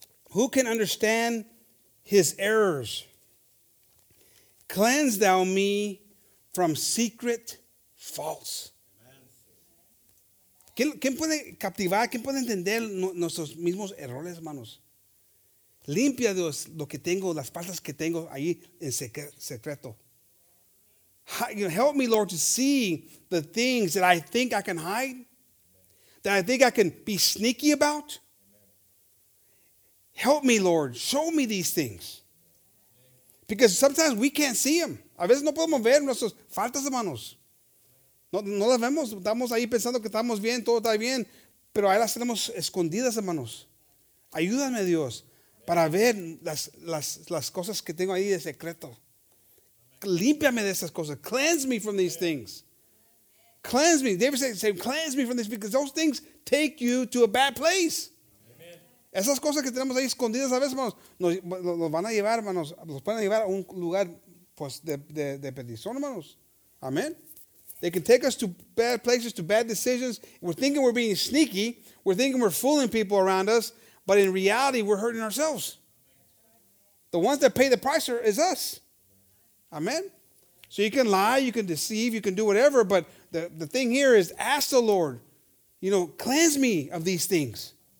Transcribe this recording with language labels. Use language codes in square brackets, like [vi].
[en] Who can understand his errors? Cleanse thou me from secret faults. [es] ¿Quién puede captivar? ¿Quién puede entender nuestros mismos errores, hermanos? Limpia, Dios, lo que tengo, las faltas que tengo ahí en secreto. [en] Help me, Lord, to see the things that I think I can hide, that I think I can be sneaky about. Help me, Lord, show me these things. Because sometimes we can't see them. [es] A veces no podemos ver nuestras faltas, hermanos. No las vemos, estamos ahí pensando que estamos bien, todo está bien, pero ahí las tenemos escondidas, hermanos. Ayúdame, Dios, para ver las cosas que tengo ahí de secreto. Límpiame de esas cosas. [en] Cleanse me from these things. Cleanse me. David said, cleanse me from this, because those things take you to a bad place. Amen. [es] Esas cosas que tenemos ahí escondidas a veces, hermanos, nos van a llevar, hermanos, los van a llevar a un lugar pues, de perdición, hermanos. Amén. [en] They can take us to bad places, to bad decisions. We're thinking we're being sneaky. We're thinking we're fooling people around us. But in reality, we're hurting ourselves. The ones that pay the price is us. Amen? So you can lie, you can deceive, you can do whatever. But the thing here is ask the Lord, you know, cleanse me of these things.